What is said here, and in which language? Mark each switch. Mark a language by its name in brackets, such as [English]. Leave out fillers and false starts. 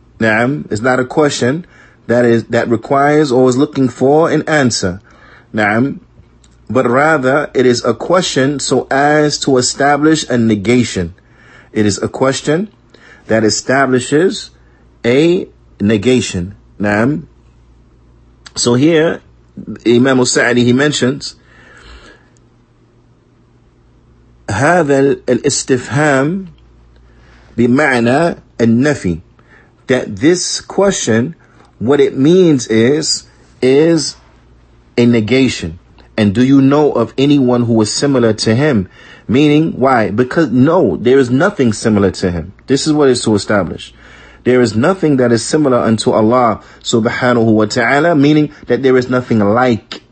[English] Naam, it's not a question that requires or is looking for an answer. Naam, but rather it is a question so as to establish a negation. It is a question that establishes a negation. Naam. So here, Imam al-Sa'di, he mentions, [Arabic] هذا الاستفهام بمعنى النفي. [English] That this question, what it means is a negation. And do you know of anyone who was similar to him? Meaning, why? Because, no, there is nothing similar to him. This is what is to establish. There is nothing that is similar unto Allah subhanahu wa ta'ala, meaning that there is nothing like